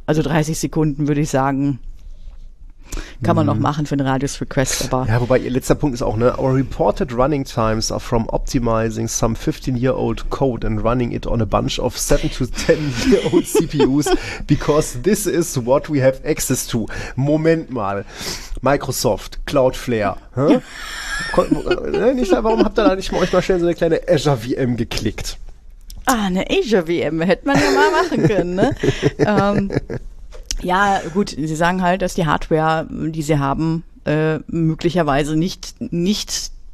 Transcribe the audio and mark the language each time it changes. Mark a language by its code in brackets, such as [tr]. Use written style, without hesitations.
[de] Also 30 Sekunden würde ich sagen, kann man noch machen für einen Radius-Request. Aber ja, wobei ihr letzter Punkt ist auch, ne? [en] Our reported running times are from optimizing some 15-year-old code and running it on a bunch of 7 to 10-year-old CPUs because this is what we have access to. [de] Moment mal. Microsoft, Cloudflare. warum habt ihr da nicht mal euch mal schnell so eine kleine Azure VM geklickt? Ah, eine Azure VM hätte man ja mal machen können, ne? ja, gut, sie sagen halt, dass die Hardware, die sie haben, möglicherweise nicht